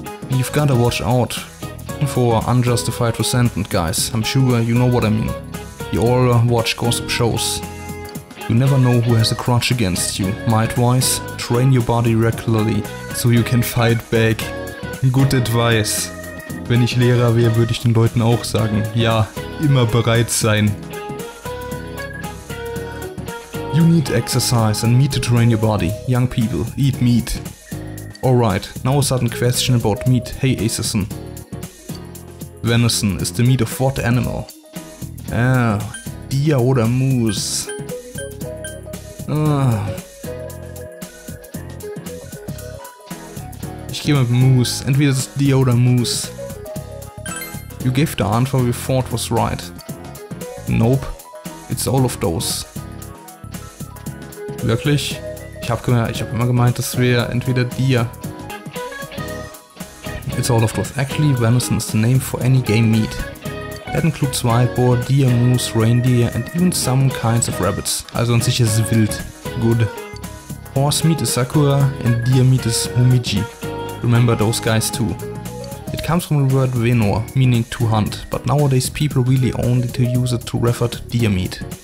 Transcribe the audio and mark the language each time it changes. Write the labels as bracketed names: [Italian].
[English] You've gotta watch out for unjustified resentment, guys. I'm sure you know what I mean. You all watch gossip shows. You never know who has a crutch against you. My advice, train your body regularly, so you can fight back. Good advice. [German] Wenn ich Lehrer wäre, würde ich den Leuten auch sagen, ja, immer bereit sein. [English] You need exercise and meat to train your body. Young people, eat meat. Alright, now a sudden question about meat. Hey, Aesirsson. Venison is the meat of what animal? Ah, deer or moose? [German] Ich gehe mit Moose. Entweder ist es Deer oder Moose. [English] You gave the answer we thought was right. Nope. It's all of those. [German] Wirklich? Ich hab immer gemeint, das wäre entweder Deer. [English] It's all of those. Actually, venison is the name for any game meat. That includes wild boar, deer, moose, reindeer and even some kinds of rabbits. [German] Also an sich ist es wild. [English] Good. Horse meat is Sakura and deer meat is Momiji. Remember those guys too. It comes from the word venor, meaning to hunt, but nowadays people really only to use it to refer to deer meat.